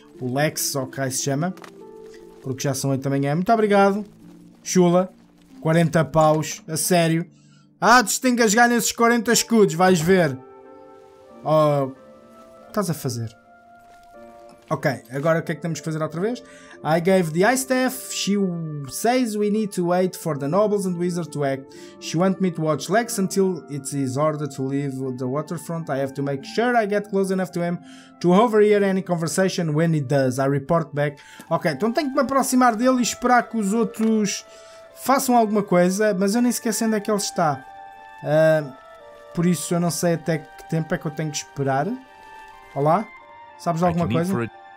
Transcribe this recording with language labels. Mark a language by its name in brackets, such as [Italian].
[Portuguese] O Lex, ou o que se chama. Porque já são 8 da manhã. Muito obrigado, chula. 40 paus, a sério. Ah, tu tens que gajar nesses 40 escudos, vais ver. Oh, o que estás a fazer? Ok, agora o que é que temos que fazer outra vez? [English] I gave the ice staff. She says we need to wait for the nobles and wizard to act. She wants me to watch Lex until it is ordered to leave the waterfront. I have to make sure I get close enough to him to overhear any conversation when he does. I report back. [Portuguese] Ok, então tenho que me aproximar dele e esperar que os outros... façam alguma coisa, mas eu nem esqueci onde é que ele está. Por isso eu não sei até que tempo é que eu tenho que esperar. Olá? Sabes alguma coisa?